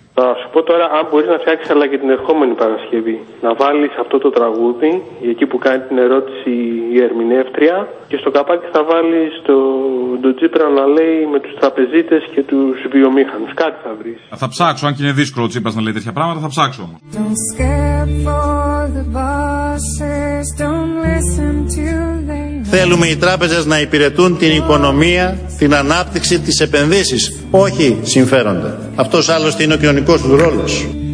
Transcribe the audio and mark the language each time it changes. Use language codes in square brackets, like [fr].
[el] Θα σου πω τώρα αν μπορείς να φτιάξεις αλλά και την ερχόμενη Παρασκευή. Να βάλεις αυτό το τραγούδι, εκεί που κάνει την ερώτηση η ερμηνεύτρια, και στο καπάκι θα βάλεις το Τσίπρα να λέει με τους τραπεζίτες και τους βιομήχανους. Κάτι θα βρεις. Θα ψάξω, αν και είναι δύσκολο ο Τσίπρας να λέει τέτοια πράγματα, θα ψάξω όμως. [en] Don't scare for the bosses, don't listen to them. [el] Θέλουμε οι τράπεζες να υπηρετούν την οικονομία, την ανάπτυξη, τις επενδύσεις. Όχι συμφέροντα. Αυτός άλλωστε είναι ο κοινωνικός του ρόλος.